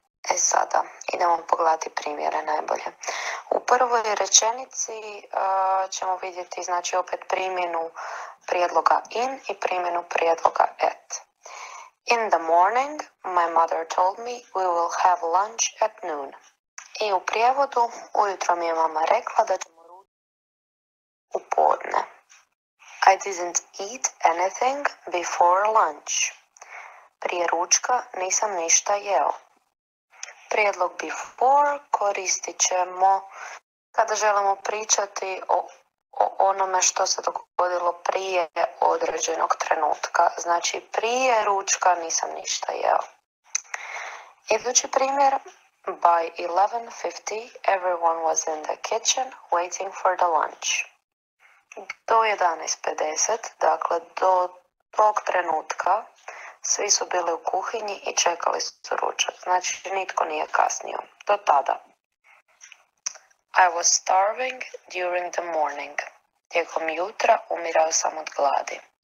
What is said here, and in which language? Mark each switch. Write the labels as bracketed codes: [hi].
[hr] E sada, idemo pogledati primjere najbolje. U prvoj rečenici ćemo vidjeti, znači, opet primjenu prijedloga in i primjenu prijedloga at. [en] In the morning, my mother told me we will have lunch at noon. [hr] I u prijevodu, ujutro mi je mama rekla da ćemo ručati u podne. [en] I didn't eat anything before lunch. [hr] Prije ručka nisam ništa jeo. Prijedlog before koristit ćemo kada želimo pričati o onome što se dogodilo prije određenog trenutka. Znači, prije ručka nisam ništa jeo. Idući primjer. [en] By 11:50 everyone was in the kitchen waiting for the lunch. [hr] Do 11:50, dakle do tog trenutka, svi su bili u kuhinji i čekali su ručak. Znači, nitko nije kasnio. Do tada. [en] I was starving during the morning. [hr] Tijekom jutra umirao sam od gladi.